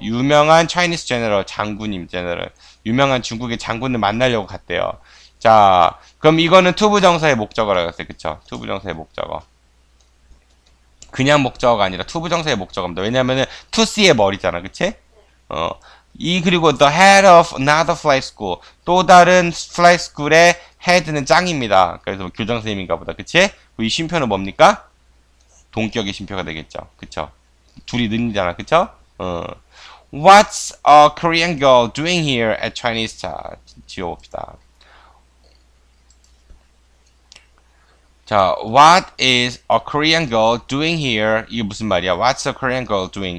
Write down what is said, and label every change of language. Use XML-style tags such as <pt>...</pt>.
<ko>유명한</ko> <en>Chinese general,</en> <ko>장군님 general, 유명한 중국의 장군을 만나려고 갔대요. 자, 그럼 이거는 to부 정사의 목적어라고 했어요, 그쵸? to부 정사의 목적어. 그냥 목적어가 아니라 to부 정사의 목적어입니다. 왜냐면은</ko> <en>to see</en> <ko>의 머리잖아, 그치? 그리고</ko> <en>the head of another fly school.</en> <ko>또 다른 fly school의 head는 짱입니다. 그래서 뭐 교장 선생님인가 보다, 그치? 이 쉼표는 뭡니까? 동격의 쉼표가 되겠죠, 그쵸? 둘이 는이잖아, 그쵸?</ko> <en>What's a Korean girl doing here at Chinese?</en> <ko>자, 지워봅시다.</ko> <en>자, what is a Korean girl doing here?</en> <ko>이게 무슨 말이야?</ko> <en>What's a Korean girl doing?</en>